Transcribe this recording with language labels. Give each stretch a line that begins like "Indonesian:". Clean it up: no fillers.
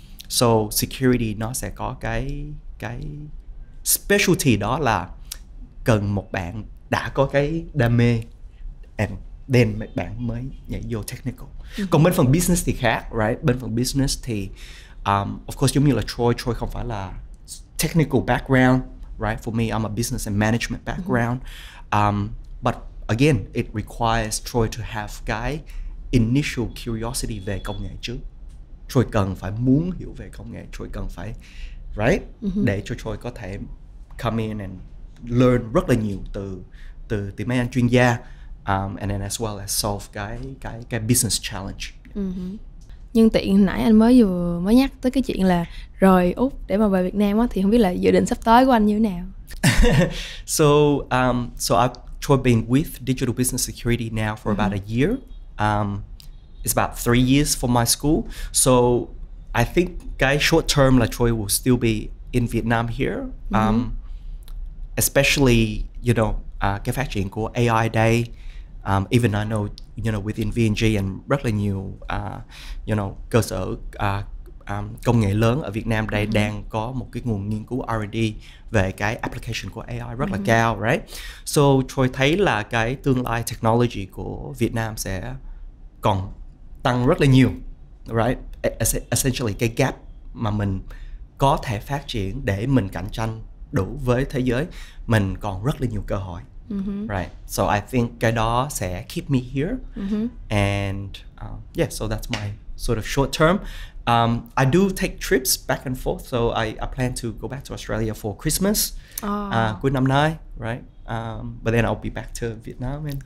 Vietnamese: So security nó sẽ có cái specialty đó là cần một bạn đã có cái đam mê,
English: and then
Vietnamese: bạn mới nhảy vô technical. Còn bên phần business thì khác, right? Bên phần business thì
English: of course
Vietnamese: giống như là Troy không phải là technical background, right?
English: For me, I'm a business and management background. But again, it requires Troy to have cái initial curiosity
Vietnamese: về công nghệ trước. Troy cần phải muốn hiểu về công nghệ, Troy cần phải, right? Để cho Troy có thể
English: come in and learn
Vietnamese: rất là nhiều từ mấy anh chuyên gia,
English: and then as well as solve cái business challenge.
Vietnamese: Nhưng tiện nãy anh mới nhắc tới cái chuyện là rời Úc để mà về Việt Nam á, thì không biết là dự định sắp tới của anh như thế nào?
English: So I've been with Digital Business Security now for about a year. It's about 3 years for my school. So I think
Vietnamese: cái short term là
English: Troy will still be in Vietnam here.
Vietnamese: Especially, you know, cái phát triển của AI đây.
English: Even I know, you know,
Vietnamese: within VNG and rất là nhiều, you know, cơ sở công nghệ lớn ở Việt Nam đây đang có một cái nguồn nghiên cứu R&D về cái application của AI rất là cao, right? So Troy thấy là cái tương lai technology của Việt Nam sẽ còn tăng rất là nhiều, right?
English: Essentially
Vietnamese: cái gap mà mình có thể phát triển để mình cạnh tranh đủ với thế giới, mình còn rất là nhiều cơ hội, right?
English: So I think
Vietnamese: cái đó sẽ
English: keep me here, and yeah, so that's my sort of short term. I do take trips back and forth, so I plan to go back to Australia for Christmas,
Vietnamese: cuối năm nay,
English: right? But then I'll be back to Vietnam and